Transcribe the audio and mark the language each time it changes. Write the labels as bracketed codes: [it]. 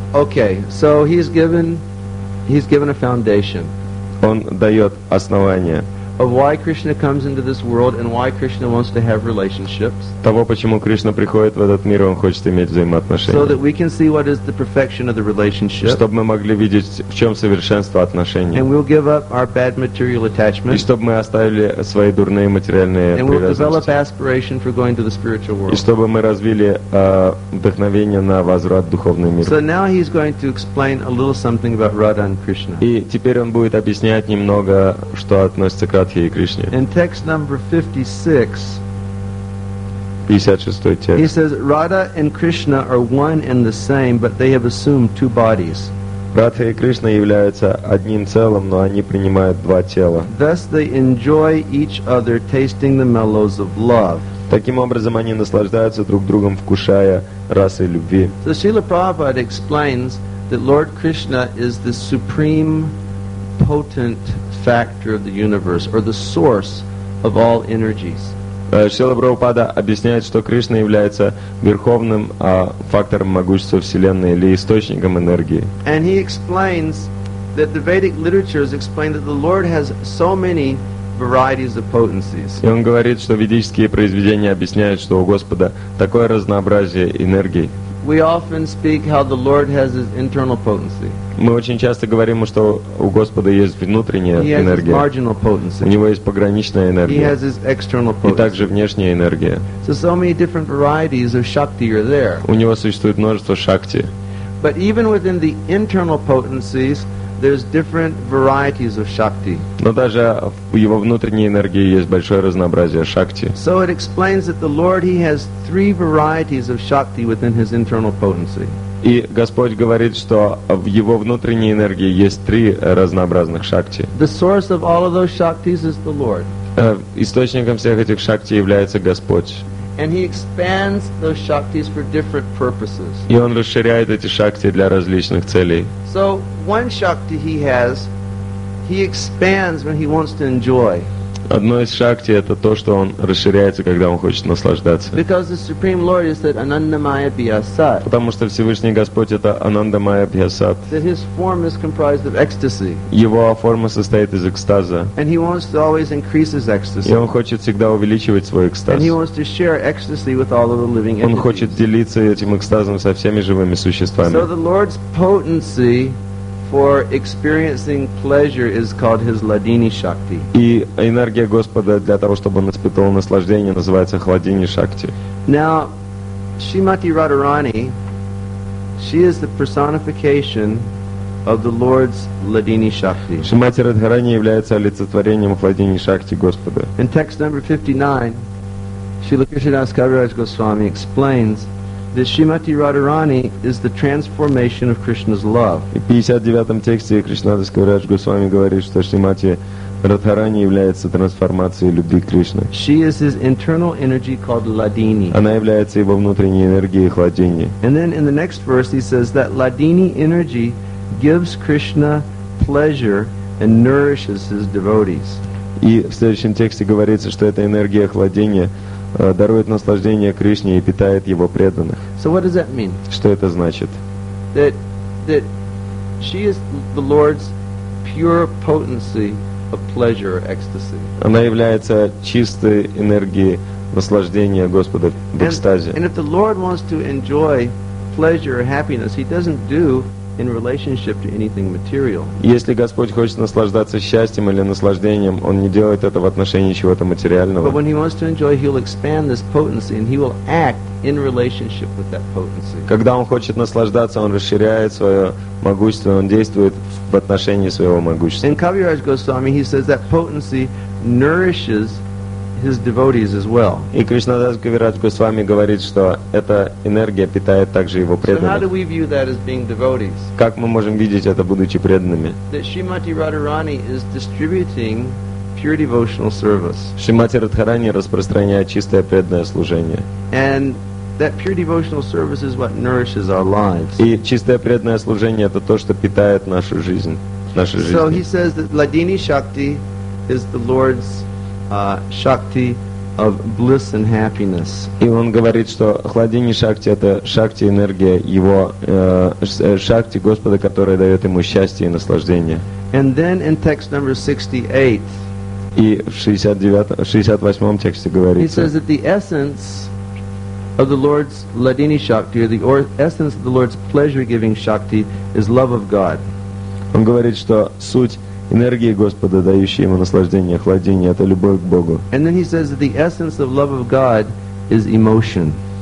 [en] Okay, so he's given a foundation. [ru] Он дает основание. [en] Of why Krishna comes into this world and why Krishna wants to have relationships. [ru] Того, почему Кришна приходит в этот мир, он хочет иметь взаимоотношения. [en] So that we can see what is the perfection of the relationship. [ru] Чтобы мы могли видеть, в чем совершенство отношений. [en] And we'll give up our bad material attachments. [ru] И чтобы мы оставили свои дурные материальные привязанности. [en] And we'll develop aspiration for going to the spiritual world. [ru] И чтобы мы развили вдохновение на возврат в духовный мир. [en] So now he's going to explain a little something about Radha and Krishna. [ru] И теперь он будет объяснять немного, что относится к. [en] In text number 56, he says, Radha and Krishna are one and the same, but they have assumed two bodies. [ru] Radha и Кришна являются одним целым, но они принимают два тела. [en] Thus they enjoy each other, tasting the mellows of love. [ru] Таким образом, они наслаждаются друг другом, вкушая расы любви. [en] So Srila Prabhupada explains that Lord Krishna is the supreme potent factor of the universe, or the source of all energies. [ru] Шрила Прабхупада объясняет, что Кришна является верховным фактором могущества Вселенной или источником энергии. [en] And he explains that the Vedic literatures explain that the Lord has so many varieties of potencies. [ru] И он говорит, что ведические произведения объясняют, что у Господа такое разнообразие энергии. [en] We often speak how the Lord has His internal potency. [ru] Мы очень часто говорим, что у Господа есть внутренняя [en] He has [ru] энергия. [en] His marginal potency. [ru] У него есть пограничная энергия. [en] He has His external potency. [ru] И также внешняя энергия. [en] So many different varieties of shakti are there. [ru] У него существует множество шакти. [en] But even within the internal potencies, there's different varieties of shakti. [ru] Но даже в его внутренней энергии есть большое разнообразие шакти. [en] So it explains that the Lord He has three varieties of shakti within His internal potency. [ru] И Господь говорит, что в его внутренней энергии есть три разнообразных шакти. [en] The source of all of those shaktis is the Lord. [ru] Источником всех этих шакти является Господь. [en] And He expands those shaktis for different purposes. [ru] И он расширяет эти шакти для различных целей. [en] So one shakti He has, He expands when He wants to enjoy. [ru] Одно из шакти — это то, что он расширяется, когда он хочет наслаждаться. [en] Because the Supreme Lord is that Anandamaya Vyasat. [ru] Потому что Всевышний Господь — это Анандамая Вьясат. [en] That His form is comprised of ecstasy. [ru] Его форма состоит из экстаза. [en] And He wants to always increase His ecstasy. [ru] И он хочет всегда увеличивать свой экстаз. [en] And He wants to share ecstasy with all of the living entities. [ru] Он хочет делиться этим экстазом со всеми живыми существами. [en] So the Lord's potency for experiencing pleasure is called His Ladini Shakti. [ru] И энергия Господа для того, чтобы он испытывал наслаждение, называется Хладини Шакти. [en] Now, Shrimati Radharani, she is the personification of the Lord's Ladini Shakti. [ru] Шримати Радхарани является олицетворением Хладини Шакти Господа. [en] In text number 59, Srila Krishnadas Kaviraj Goswami explains that Shrimati Radharani is the transformation of Krishna's love. [ru] В 59-м тексте Кришнадас Кавирадж Госвами говорит, что Шримати Радхарани является трансформацией любви Кришны. [en] She is His internal energy called Ladini. [ru] Она является его внутренней энергией Хладини. [en] And then in the next verse he says that Ladini energy gives Krishna pleasure and nourishes His devotees. [ru] И в следующем тексте говорится, что эта энергия Хладини дарует наслаждение Кришне и питает его преданных. [en] So what does that mean? [ru] Что это значит? [en] That She is the Lord's pure potency of pleasure, ecstasy. [ru] Она является чистой энергией наслаждения Господа в экстазе. [en] And if the Lord wants to enjoy pleasure or happiness, He doesn't do in relationship to anything material. [ru] Если Господь хочет наслаждаться счастьем или наслаждением, Он не делает это в отношении чего-то материального. [en] But when He wants to enjoy, He'll expand this potency and He will act in relationship with that potency. [ru] Когда Он хочет наслаждаться, Он расширяет свое могущество, Он действует в отношении своего могущества. [en] In Kaviraj Goswami, He says that potency nourishes His devotees as well. [ru] И Кришнадас Кавирадж Госвами говорит, что эта энергия питает также его преданных. [en] So how do we view that as being devotees? [ru] Как мы можем видеть это, будучи преданными? [en] That Shrimati Radharani is distributing pure devotional service. [ru] Шримати Радхарани распространяет чистое преданное служение. [en] And that pure devotional service is what nourishes our lives. [ru] И чистое преданное служение это то, что питает нашу жизнь, наши жизни. [en] So he says that Ladini Shakti is the Lord's Shakti of bliss and happiness. [ru] И он говорит, что Хладини Шакти это Шакти энергия его Шакти Господа, которая дает ему счастье и наслаждение. [en] And then in text number 68. [ru] И в 68-м тексте говорится. [en] He says that the essence of the Lord's Ladini Shakti, or the essence of the Lord's pleasure-giving Shakti, is love of God. [ru] Он говорит, что суть энергии Господа, дающей ему наслаждение, охлаждение, это любовь к Богу. [en] And then he says that the essence of love of God is emotion.